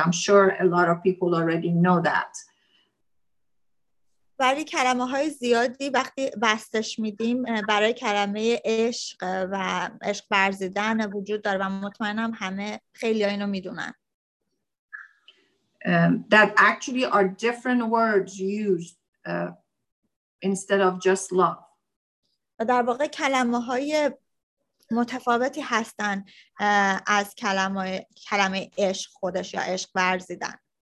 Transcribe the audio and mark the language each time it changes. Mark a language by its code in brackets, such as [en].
[en] I'm sure a lot of people already know that. [fa] برای کلمه های زیادی وقتی بستش میدیم برای کلمه عشق و عشق ورزیدن وجود داره و مطمئنم همه خیلی اینو میدونن. [en] That actually are different words used instead of just love. [fa] در واقع کلمه‌های متفاوتی هستن از کلمه عشق خودش یا عشق ورزیدن.